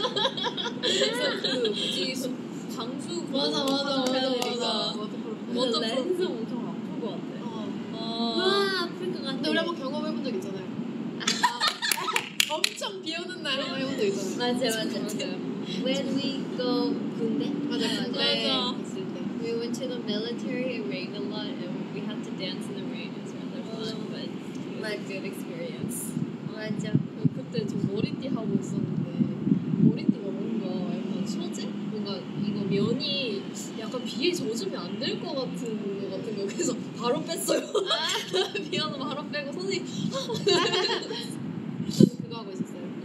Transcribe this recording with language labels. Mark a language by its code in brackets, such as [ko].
[ko] 그래서 그 뭐지? 방수 맞아 맞아 맞아. 워터프루프 렌즈 엄청 아플 것 같아. 와 아플 것 같아. 근데 우리 한번 경험해본 적 있잖아요. 엄청 비오는 날 해본 적 있잖아요. 맞아 맞아 맞아. [en] When we go [ko] 군대? 맞아 맞아. 맞아. [en] We went to the military, it rained a lot, and we had to dance in the rain. It was rather fun, but it was a good experience. [ko] 맞아. 그때 저 머리띠 하고 있었는데 머리띠가 뭔가 약간 소재? 뭔가 이거 면이 약간 비에 젖으면 안 될 것 같은 것 같은 거 그래서 바로 뺐어요. 비 와서 바로 빼고 선생님 그거 하고 있었어요.